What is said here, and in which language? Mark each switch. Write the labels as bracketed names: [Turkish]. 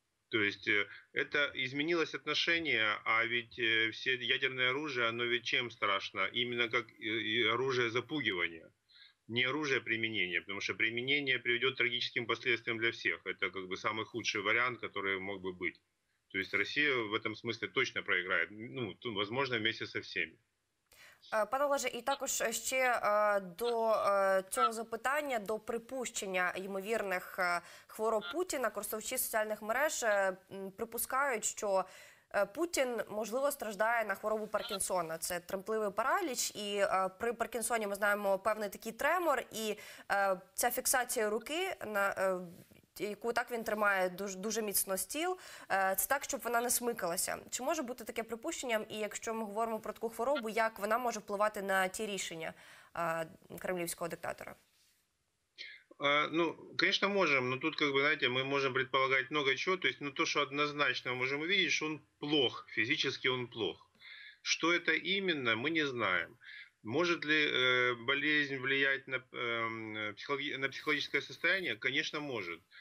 [Russian] То есть это изменилось отношение, а ведь все ядерное оружие, оно ведь чем страшно? Именно как оружие запугивания, не оружие применения, потому что применение приведет к трагическим последствиям для всех. Это как бы самый худший вариант, который мог бы быть. То есть Россия в этом смысле точно проиграет, ну, возможно, вместе со всеми. [Ukrainian] Пане Олеже, і також ще до цього запитання, до припущення ймовірних хвороб Путіна, користувачі соціальних мереж припускають, що Путін, можливо, страждає на хворобу Паркінсона. Це тремтливий параліч, і при Паркінсоні ми знаємо певний такий тремор, і ця фіксація руки, яку так він тримає дуже, дуже міцно стіл, це так, щоб вона не смикалася. Чи може бути таке припущення, і якщо ми говоримо про таку хворобу, як вона може впливати на ті рішення кремлівського диктатора? [Russian] Ну, конечно, можем, но тут, как бы, знаете, мы можем предполагать много чего. То есть, ну, то, что однозначно мы можем увидеть, что он плох, физически он плох. Что это именно, мы не знаем. Может ли болезнь влиять на психологическое состояние? Конечно, может.